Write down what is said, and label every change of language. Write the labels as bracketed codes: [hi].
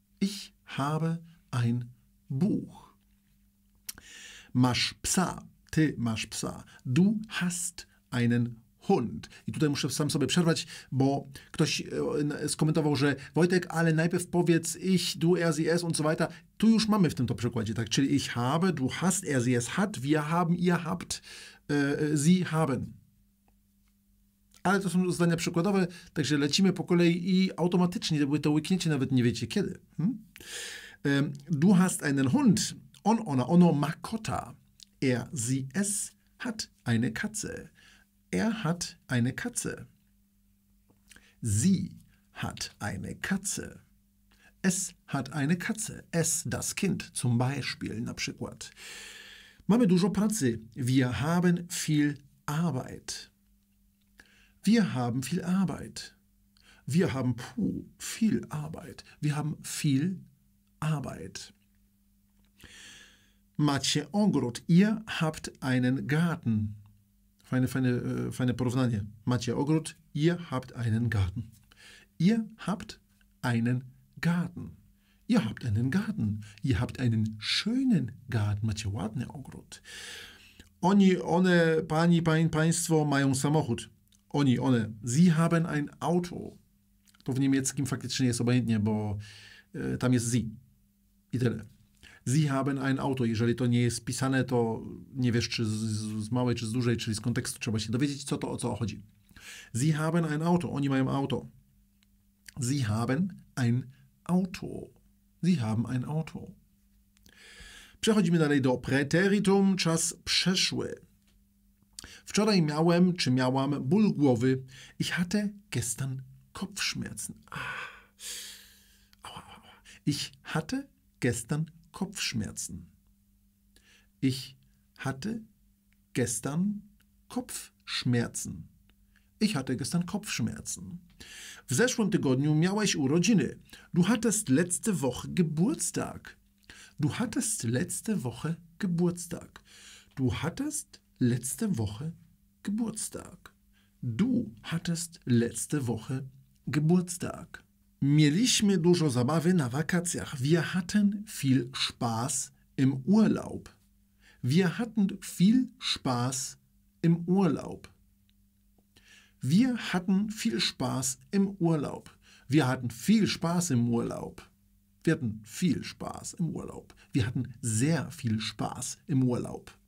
[de] Ich habe ein Buch. [pl] Masz psa. Ty masz psa. [de] Du hast einen Hund. [pl] I tutaj muszę sam sobie przerwać, bo ktoś skomentował, że Wojtek, ale najpierw powiedz [de] ich, du, er, sie, es und so weiter. [pl] Tu już mamy w tym to przykładzie, tak? [de] Czyli ich habe, du hast, er, sie, es hat, wir haben, ihr habt, sie haben. [pl] Ale to są zdania przykładowe, także lecimy po kolei i automatycznie, jakby to łykniecie, nawet nie wiecie kiedy. [de] Du hast einen Hund. [pl] On, ona, ono ma kota. [de] Er, sie, es hat eine Katze. Er hat eine Katze. Sie hat eine Katze. Es hat eine Katze. Es, das Kind, zum Beispiel, [pl] na przykład. Mamy dużo pracy. [de] Wir haben viel Arbeit. Wir haben viel Arbeit. Wir haben viel Arbeit. Wir haben viel Arbeit. [pl] Macie ogród. [de] Ihr habt einen Garten. [pl] Fajne porównanie. Macie ogród. [de] Ihr habt einen Garten. Ihr habt einen Garten. Ihr habt einen Garten. Ihr habt einen schönen Garten. [pl] Macie ładny ogród. Oni, one, pani, państwo mają samochód. Oni, one. [de] Sie haben ein Auto. [pl] To w niemieckim faktycznie jest obojętnie, bo tam jest sie. I tyle. Sie haben ein Auto. Jeżeli to nie jest pisane, to nie wiesz, czy z małej, czy z dużej, czyli z kontekstu trzeba się dowiedzieć, co to, o co chodzi. Sie haben ein Auto. Oni mają auto. Sie haben ein Auto. Sie haben ein Auto. Przechodzimy dalej do Präteritum, czas przeszły. Wczoraj miałem, czy miałam, ból głowy. [de] Ich hatte gestern Kopfschmerzen. Ah. Aua, aua. Ich hatte gestern Kopfschmerzen. Ich hatte gestern Kopfschmerzen. Ich hatte gestern Kopfschmerzen. [pl] W zeszłym tygodniu miałeś urodziny. [de] Du hattest letzte Woche Geburtstag. Du hattest letzte Woche Geburtstag. Du hattest letzte Woche Geburtstag. Du hattest letzte Woche Geburtstag. [pl] Mieliśmy dużo zabawy na wakacjach. [de] Wir hatten viel Spaß im Urlaub. Wir hatten viel Spaß im Urlaub. Wir hatten viel Spaß im Urlaub. Wir hatten viel Spaß im Urlaub. Wir hatten viel Spaß im Urlaub. Wir hatten sehr viel Spaß im Urlaub.